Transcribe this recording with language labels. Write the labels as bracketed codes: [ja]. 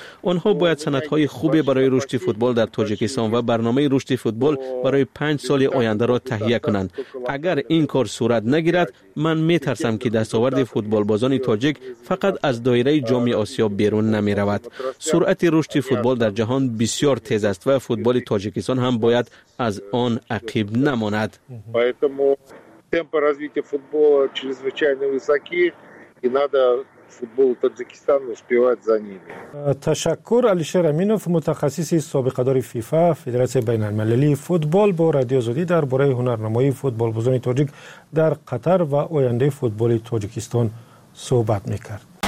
[fa] آنها باید سند های خوبی برای رشد فوتبال در تاجیکستان و برنامه رشد فوتبال برای 5 سال آینده را تهیه کنند. اگر این کار صورت نگیرد، من می ترسم که دستاورد فوتبال بازان تاجیک فقط از دایره جام آسیا بیرون نمی رود. سرعت رشد فوتبال در جهان بسیار تیز است و فوتبال تاجیکستان هم باید از آن عقب نماند. [ru] поэтому темпы развития футбола чрезвычайно высоки и надо футбол таджикистан успевать за ними. [fa] تشکر علیشر امینوف متخصص سابقه دار فیفا فدراسیون بین المللی فوتبال با رادیو زودی درباره هنرنمایی فوتبال بزرگ تاجیک در قطر و آینده فوتبال تاجیکستان صحبت میکرد.